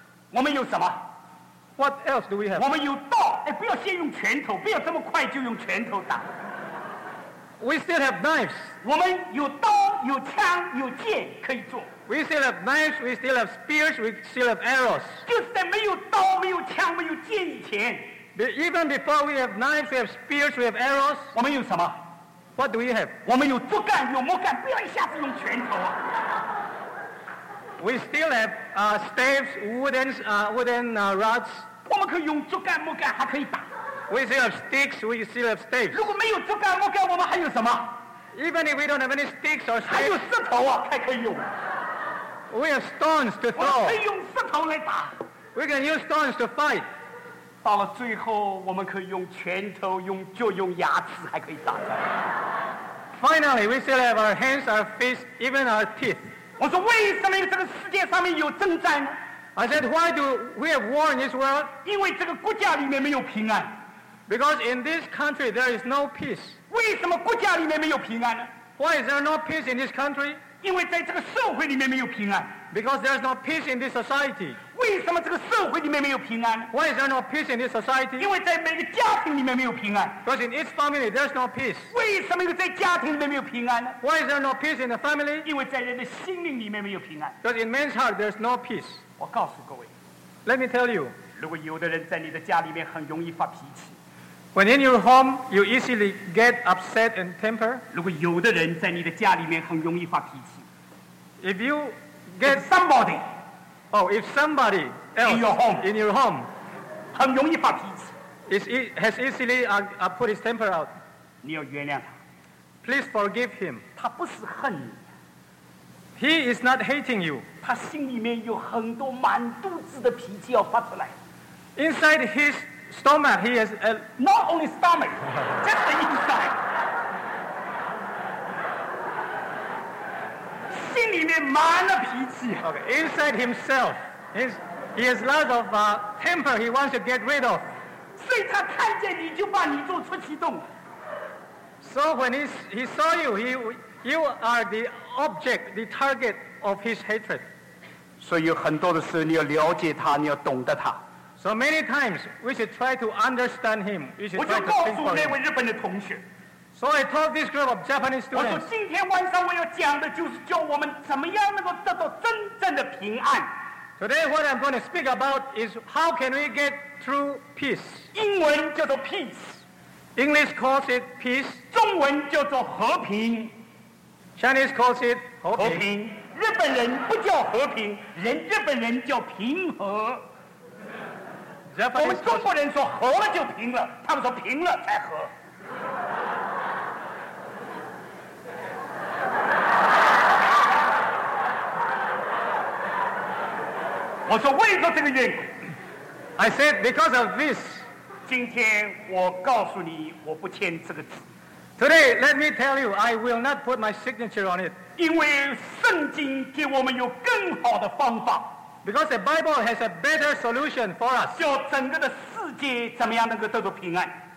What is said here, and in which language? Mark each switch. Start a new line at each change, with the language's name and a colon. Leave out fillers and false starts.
Chinese: 我们有什么
English: ？What else do we have?
Chinese: 我们有刀。哎，不要先用拳头，不要这么快就用拳头打。
English: We still have knives.
Chinese: 我们有刀，有枪，有剑可以做。
English: We still have knives, we still have spears, we still have arrows.
Chinese: 就是在没有刀、没有枪、没有剑以前。
English: Even before we have knives, we have spears, we have arrows.
Chinese: 我们有什么
English: ？What do we have?
Chinese: 我们有竹竿、有木杆，不要一下子用拳头啊。
English: We still have staves, wooden rods.
Chinese: 我们可以用竹竿、木杆，还可以打。
English: We still have sticks, we still have staves.
Chinese: 如果没有竹竿、木杆，我们还有什么？
English: Even if we don't have any sticks or staves,
Chinese: 还有石头啊，还可以用。
English: We have stones to throw.
Chinese: 我们可以用石头来打。
English: We can use stones to fight.
Chinese: 到了最后，我们可以用拳头、用脚、用牙齿，还可以打仗。
English: Finally, we still have our hands, our fists, even our teeth.
Chinese: 我说，为什么这个世界上面有征战
English: ？I said, why do we have war in this world?
Chinese: 因为这个国家里面没有平安。
English: Because in this country there is no peace.
Chinese: 为什么国家里面没有平安呢？
English: Why is there no peace in this country?
Chinese: 因为在这个社会里面没有平安。
English: Because there is no peace in this society.
Chinese: 为什么这个社会里面没有平安呢？
English: Why is there no peace in this society?
Chinese: 因为在每个家庭里面没有平安。
English: Because in each family there is no peace.
Chinese: 为什么在家庭里面没有平安呢？
English: Why is there no peace in the family?
Chinese: 因为在人的心灵里面没有平安。
English: Because in man's heart there is no peace.
Chinese: 我告诉各位，
English: Let me tell you，
Chinese: 如果有的人在你的家里面很容易发脾气，
English: When in your home, you easily get upset and temper.
Chinese: 如果有的人在你的家里面很容易发脾气。
English: If you get somebody, oh, if somebody else in your home,
Chinese: 很容易发脾气。
English: Has easily put his temper out.
Chinese: 你要原谅他。
English: Please forgive him.
Chinese: 他不是恨你。
English: He is not hating you.
Chinese: 他心里面有很多满肚子的脾气要发出来。
English: Inside his stomach, he has a not only stomach, just the inside.
Chinese: 心里面满了脾气。
English: Okay, inside himself, he has lots of temper. He wants to get rid of.
Chinese: 所以他看见你就把你做出气动。
English: So when he saw you, you are the object, the target of his hatred.
Chinese: 所以有很多的事，你要了解他，你要懂得他。
English: So many times we should try to understand him. We should try to think for him.
Chinese: 我就告诉那位日本的同学。
English: So I told this group of Japanese students.
Chinese: 我说今天晚上我要讲的就是教我们怎么样能够得到真正的平安。
English: Today what I'm going to speak about is how can we get true peace.
Chinese: 英文叫做 peace.
English: English calls it peace.
Chinese: 中文叫做和平。
English: Chinese calls it
Chinese: 和平。日本人不叫和平，日本人叫平和。
English: Japanese、
Chinese: 我们中国人说和了就平了，他们说平了才和。我说为了这个缘故。
English: I said because of this.
Chinese: 今天我告诉你，我不签这个字。
English: Today, let me tell you, I will not put my signature on it.
Chinese: 因为圣经给我们有更好的方法。
English: Because the Bible has a better solution for us.
Chinese: 叫整个的世界怎么样能够得到平安？